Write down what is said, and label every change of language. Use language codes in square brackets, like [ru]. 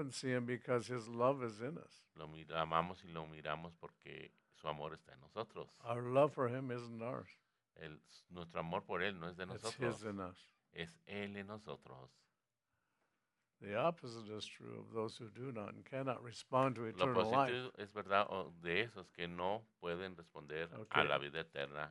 [en] And see him because his love is in us. [es] Lo amamos y lo miramos porque su amor está en nosotros. [en] Our love for him isn't ours. [es] Nuestro amor por él no es de nosotros. [en] It's his in us. [es] Es él en nosotros. [en] The opposite is true of those who do not and cannot respond to eternal life. [es] Lo positivo es verdad de esos que no pueden responder a la vida eterna